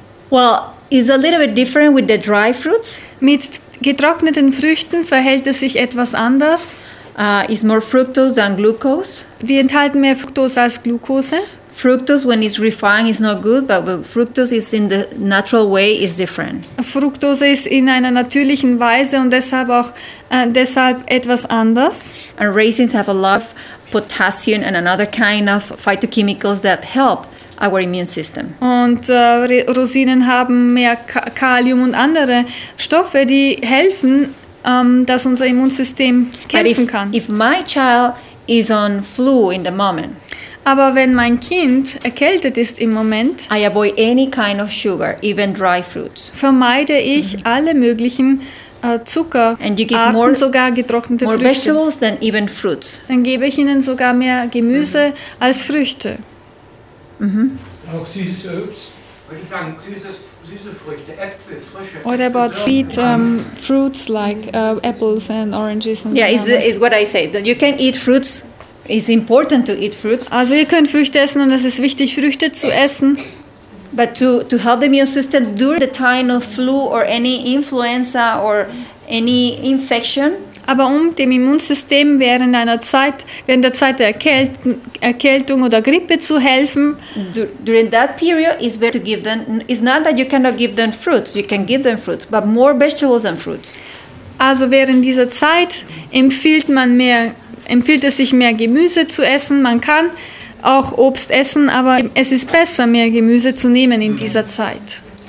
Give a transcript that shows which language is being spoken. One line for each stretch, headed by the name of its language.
English: Well, it's a little bit different with the dry fruits.
German: Mit getrockneten Früchten verhält es sich etwas anders.
English: It's more fructose than glucose.
German: Die enthalten mehr Fructose als Glucose.
English: Fructose, when it's refined, is not good, but fructose is in the natural way is different.
German: Fructose ist in einer natürlichen Weise und deshalb auch deshalb etwas anders.
English: And raisins have a lot of potassium and another kind of phytochemicals that help our immune system.
German: Und Rosinen haben mehr Kalium und andere Stoffe, die helfen, dass unser Immunsystem kämpfen kann.
English: If my child is on flu in the moment.
German: Aber wenn mein Kind erkältet ist im Moment,
English: I avoid any kind of sugar, even dry fruits.
German: Vermeide ich alle möglichen Zucker,
English: and you give
German: Arten, sogar getrocknete
English: more
German: Früchte.
English: Vegetables than even fruits.
German: Dann gebe ich ihnen sogar mehr Gemüse als Früchte. Auch süßes Obst. Würde ich sagen, süße Früchte, Äpfel, frische.
English: What about sweet fruits like apples and oranges? And yeah, is what I say. You can eat fruits. It's important to eat fruits.
German: Also ihr könnt Früchte essen und es ist wichtig, Früchte zu essen.
English: But to help the immune system during the time of flu or any influenza or any infection.
German: Aber um dem Immunsystem während der Zeit der Erkältung oder Grippe zu helfen.
English: During that period is better to give them. It's not that you cannot give them fruits. You can give them fruits, but more vegetables than fruits.
German: Also während dieser Zeit empfiehlt es sich mehr Gemüse zu essen. Man kann auch Obst essen, aber es ist besser, mehr Gemüse zu nehmen in dieser Zeit.